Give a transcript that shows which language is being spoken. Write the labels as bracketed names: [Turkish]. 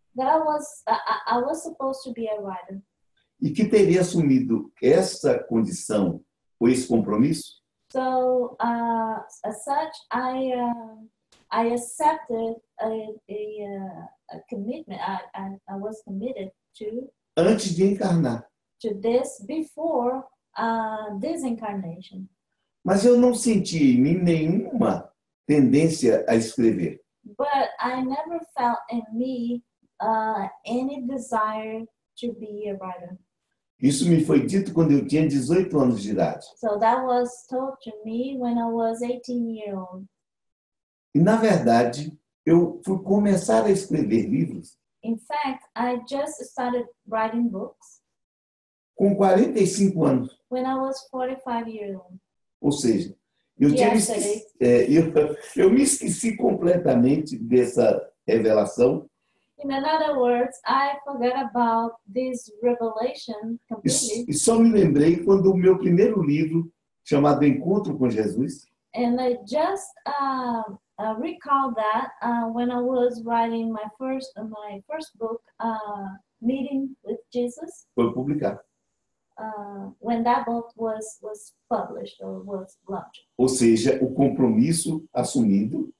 [English] That I was supposed to be a writer. [Portuguese] E que teria assumido essa condição, ou esse compromisso. [English] So, as such, I accepted a commitment. I was committed to. [Portuguese] Antes de encarnar. [English] To this before disincarnation. [Portuguese] Mas eu não senti em nenhuma tendência a escrever. [English] But I never felt in me any desire to be a writer. [Portuguese] Isso me foi dito quando eu tinha 18 anos de idade. [English] So that was told to me when I was 18 years old. [Portuguese] E na verdade, eu fui começar a escrever livros. [English] In fact, I just started writing books. [Portuguese] Com 45 anos. [English] When I was 45 years old. [Portuguese] Ou seja, eu me esqueci completamente dessa revelação. [English] In other words, I forgot about this revelation completely. [Portuguese] E só me lembrei quando o meu primeiro livro, chamado Encontro com Jesus. [English] And I just recall that when I was writing my first book, Meeting with Jesus. [Portuguese] Foi publicado. [English] When that book was published or was launched. [Portuguese] Ou seja, o compromisso assumido.